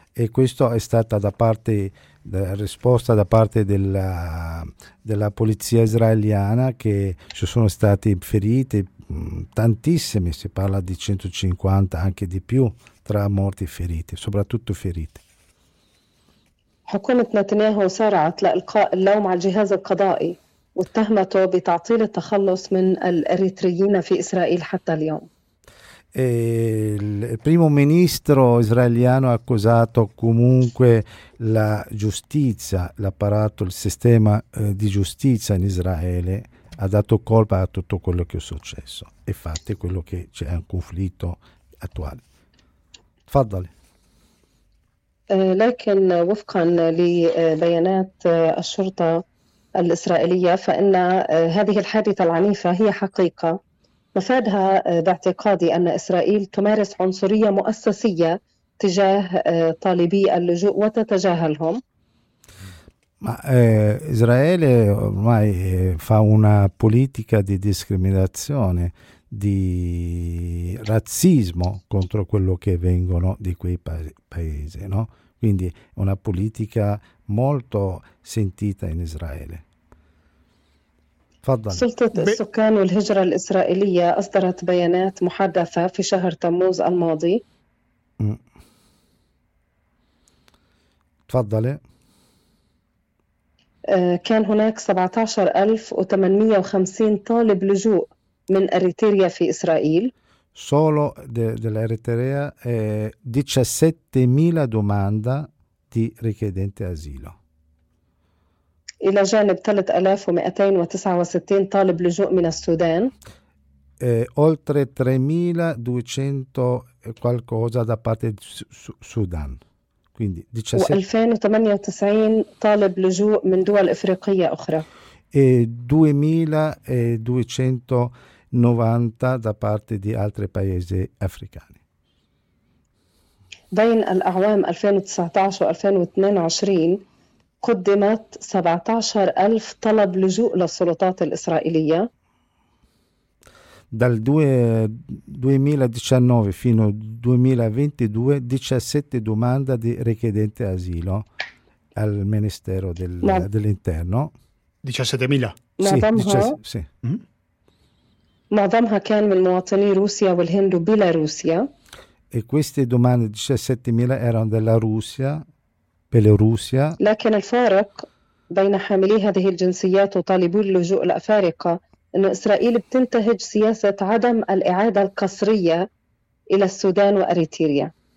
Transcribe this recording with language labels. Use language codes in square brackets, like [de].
[it] E questo è stata risposta da parte della polizia israeliana, che ci sono stati feriti tantissimi, si parla di 150 anche di più tra morti e feriti, soprattutto feriti. [ar] حكومة نتنياهو سارعت لإلقاء اللوم على الجهاز القضائي واتهمته بتعطيل التخلص من الإريتريين في إسرائيل حتى اليوم. [it] Il primo ministro israeliano ha accusato comunque la giustizia, l'apparato, il sistema di giustizia in Israele, ha dato colpa a tutto quello che è successo. E infatti quello che c'è un conflitto attuale. [ar] Tfaddali. لكن وفقا لبيانات الشرطة الإسرائيلية فإن هذه الحادثة العنيفة هي حقيقة مفادها باعتقادي أن إسرائيل تمارس عنصرية مؤسسية تجاه طالبي اللجوء وتتجاهلهم. [it] Ma Israele ormai fa una politica di discriminazione, di razzismo contro quello che vengono di quei paesi, no? Quindi è una politica molto sentita in Israele. [ar] Fadda. سلطة السكان والهجرة الإسرائيلية أصدرت بيانات محدثة في شهر تموز الماضي. تفضلي. كان هناك 17,850 طالب لجوء من أريتريا في إسرائيل. [it] Solo dell'Eritrea 17.000 domanda di richiedente asilo. [ar] إلى جانب 3269 طالب لجوء من السودان. [it] Oltre 3200 qualcosa da parte di Sudan. Quindi [ar] 2098 طالب لجوء من دول إفريقية أخرى. [it] E 2290 da parte di altri paesi africani. [ar] بين الأعوام 2019 و2022 قدمت 17,000 طلب لجوء للسلطات الإسرائيلية. [it] Dal 2019 fino al 2022 17 domande di richiedente asilo al Ministero del, dell'Interno. 17,000. Sì, sì. [ar] معظمها كان من مواطني روسيا والهند وبيلاروسيا. [it] E queste domande 17,000 erano della Russia, Bielorussia. [ar] لكن الفارق بين حاملي هذه الجنسيات وطالبو اللجوء الأفارقة أن إسرائيل بتنتهج سياسة عدم الإعادة القسرية إلى السودان وأريتريا.